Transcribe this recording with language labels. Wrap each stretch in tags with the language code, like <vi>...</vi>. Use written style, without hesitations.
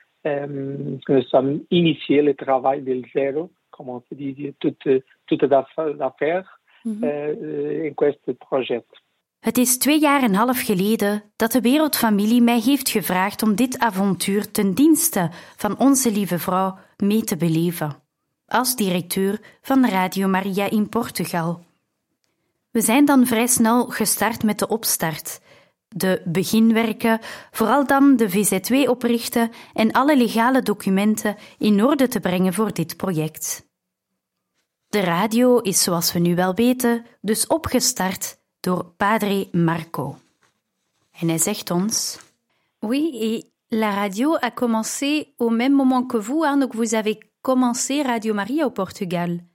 <fr>Nous sommes initiés le travail de zéro, comme on se dit, toute l'affaire</fr> <it>in questo progetto.</it> <nl>Het is 2,5 jaar geleden dat de wereldfamilie mij heeft gevraagd om dit avontuur ten dienste van Onze Lieve Vrouw mee te beleven, als directeur van Radio Maria in Portugal. We zijn dan vrij snel gestart met de opstart, de beginwerken, vooral dan de VZW oprichten en alle legale documenten in orde te brengen voor dit project. De radio is, zoals we nu wel weten, dus opgestart door Padre Marco. En hij zegt ons:</nl> <fr>Oui, et la radio a commencé au même moment que vous, hein, donc vous avez commencé Radio Maria au Portugal.</fr>